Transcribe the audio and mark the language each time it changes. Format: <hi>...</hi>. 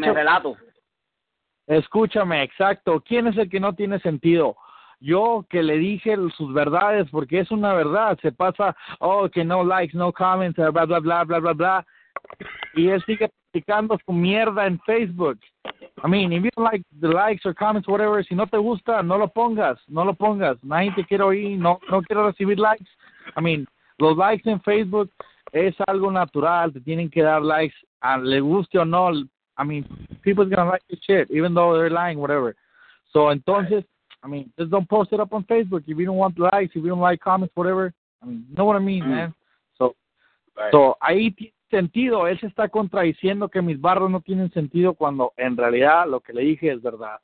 <es>que me relato. Escúchame, exacto, ¿quién es el que no tiene sentido? Yo que le dije sus verdades, porque es una verdad, se pasa, que no likes, no comments, bla bla bla bla bla bla. Y él sigue practicando su mierda en Facebook.</es> <en>I mean, if you don't like the likes or comments, whatever,</en> <es>si no te gusta, no lo pongas. Nadie te quiere oír, no quiero recibir likes.</es> <en>I mean,</en> <es>los likes en Facebook es algo natural, te tienen que dar likes, le guste o no.</es> <en>I mean, people's gonna like your shit, even though they're lying, whatever. So,</en> <es>entonces,</es> <en>I mean, just don't post it up on Facebook. If you don't want likes, if you don't like comments, whatever, I mean, you know what I mean, man.</en> <es>So ahí tienes sentido, él se está contradiciendo que mis barras no tienen sentido cuando en realidad lo que le dije es verdad.</es>